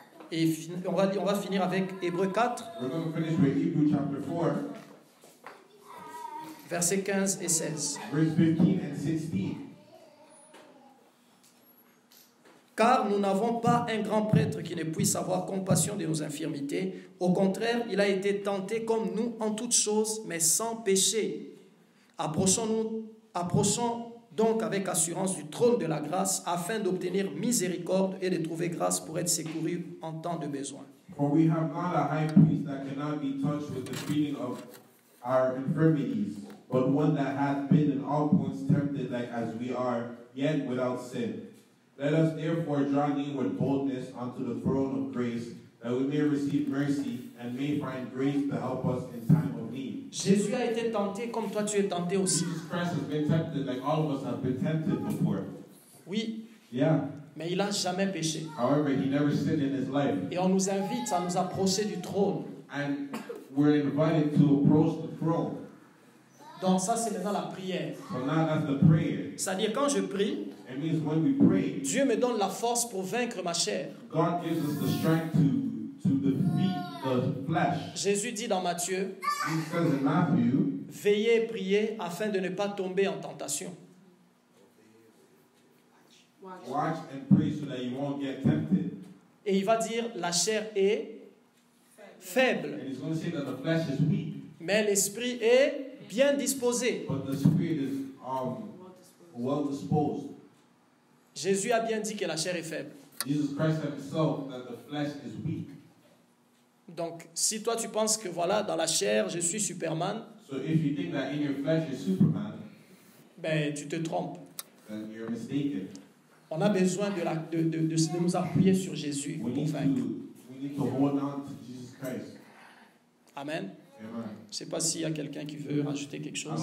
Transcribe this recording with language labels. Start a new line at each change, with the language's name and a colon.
French: Et on va finir avec Hébreux 4.
English: We're going to finish with Hebrews chapter 4.
French: Versets 15 et 16.
English: Verse 15 and 16.
French: Car nous n'avons pas un grand prêtre qui ne puisse avoir compassion de nos infirmités. Au contraire, il a été tenté comme nous en toutes choses, mais sans péché. Approchons donc avec assurance du trône de la grâce, afin d'obtenir miséricorde et de trouver grâce pour être secouru en temps de besoin.
English: For we have not a high priest that cannot be touched with the feeling of our infirmities, but one that hath been in all points tempted like as we are, yet without sin. Let us therefore draw near with boldness unto the throne of grace, that we may receive mercy and may find grace to help us in time of need.
French: Jésus a été tenté comme toi tu es tenté aussi.
English: Jesus Christ has been tempted like all of us have been tempted before.
French: Oui.
English: Yeah.
French: Mais il a jamais péché.
English: However, he never sinned in his life.
French: Et on nous invite à nous approcher du trône.
English: And we're invited to approach the throne.
French: Donc ça c'est maintenant la prière.
English: So now that's the prayer.
French: C'est-à-dire quand je prie,
English: it means when we pray,
French: Dieu me donne la force pour vaincre ma chair.
English: God gives us the strength to defeat the flesh.
French: Jésus dit dans Matthieu,
English: Jesus says in Matthew,
French: veillez et priez afin de ne pas tomber en tentation.
English: Watch and pray so that you won't get tempted.
French: Et il va dire la chair est faible.
English: And he's going to say that the flesh is weak.
French: Mais l'esprit est bien disposé.
English: But the spirit is well disposed.
French: Jésus a bien dit que la chair est faible.
English: Jesus Christ himself that the flesh is weak.
French: Donc, si toi tu penses que voilà, dans la chair, je suis Superman,
English: so if you think that in your flesh is Superman,
French: ben, tu te trompes.
English: Then you're mistaken.
French: On a besoin de nous appuyer sur Jésus pour vaincre.
English: We need to hold on to Jesus Christ. Amen. Amen.
French: Je ne sais pas s'il y a quelqu'un qui veut rajouter quelque chose.